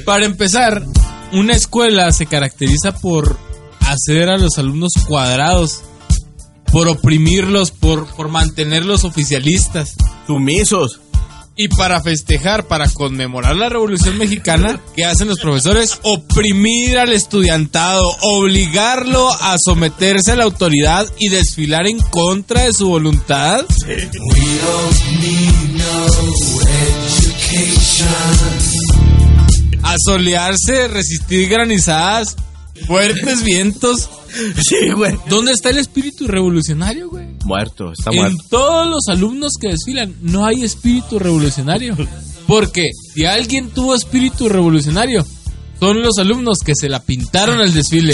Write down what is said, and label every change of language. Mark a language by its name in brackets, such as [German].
[Spanish] Para empezar, una escuela se caracteriza por hacer a los alumnos cuadrados, por oprimirlos, por mantenerlos oficialistas, sumisos. Y para festejar, para conmemorar la Revolución Mexicana, ¿qué hacen los profesores? Oprimir al estudiantado, obligarlo a someterse a la autoridad y desfilar en contra de su voluntad. Sí. [English] We don't need no education. [Spanish] Asolearse, resistir granizadas, fuertes vientos. Sí, güey. ¿Dónde está el espíritu revolucionario, güey? Muerto, está muerto. En todos los alumnos que desfilan no hay espíritu revolucionario. Porque si alguien tuvo espíritu revolucionario, son los alumnos que se la pintaron al desfile.